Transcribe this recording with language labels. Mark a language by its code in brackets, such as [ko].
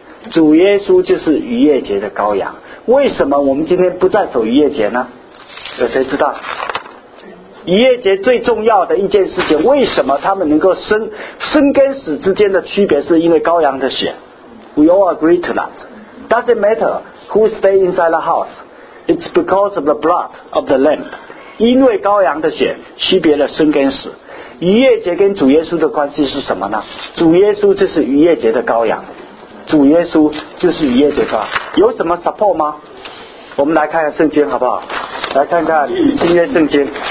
[zh] 主耶稣就是逾越节的羔羊。为什么我们今天不再守逾越节呢？有谁知道？逾越节最重要的一件事情，为什么他们能够生跟死之间的区别，是因为羔羊的血。 [en] We all agree to that. Does it matter who stay inside the house? It's because of the blood of the lamb. [zh] 因为羔羊的血区别了生跟死。逾越节跟主耶稣的关系是什么呢？主耶稣就是逾越节的羔羊，主耶稣就是逾越节的羔羊。有什么 support 吗？我们来看看圣经好不好，来看看新约圣经。